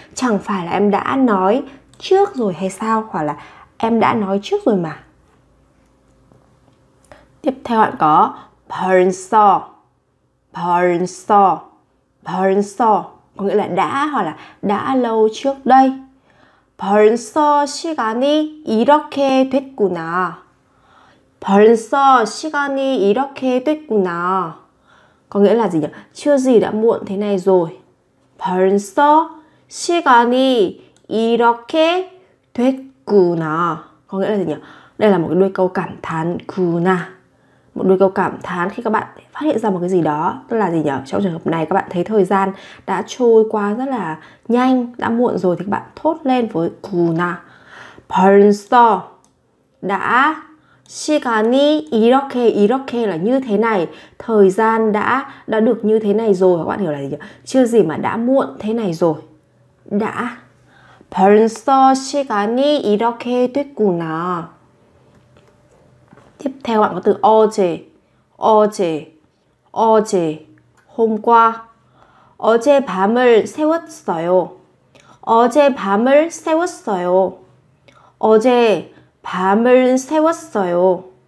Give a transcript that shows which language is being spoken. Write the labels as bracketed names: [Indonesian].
[Vietnamese] Chẳng phải là em đã nói trước rồi hay sao? Hoặc là em đã nói trước rồi mà. Tiếp theo bạn có 벌써, 벌써, 벌써 có nghĩa là đã hoặc là đã lâu trước đây. [Korean] 벌써 시간이 이렇게 됐구나. 벌써 시간이 이렇게 됐구나. [Vietnamese] Có nghĩa là gì nhỉ? Chưa gì đã muộn thế này rồi. [Korean] 벌써 시간이 이렇게 됐구나. [Vietnamese] Có nghĩa là gì nhỉ? Đây là một cái đuôi câu cảm thán구나. Một đuôi câu cảm thán khi các bạn phát hiện ra một cái gì đó. Tức là gì nhỉ? Trong trường hợp này các bạn thấy thời gian đã trôi qua rất là nhanh, đã muộn rồi thì các bạn thốt lên với 구나. 벌써 đã [Korean] 시간이 이렇게 [Vietnamese] là như thế này, thời gian đã được như thế này rồi, các bạn hiểu là gì nhỉ? Chưa gì mà đã muộn thế này rồi. [Korean] Đã 벌써 시간이 이렇게 됐구나. [Vietnamese] Tiếp theo bạn có từ 어제 hôm qua. [Korean] 어젯밤을 새웠어요. 어젯밤을 새웠어요. 어제 밤을 새웠어요.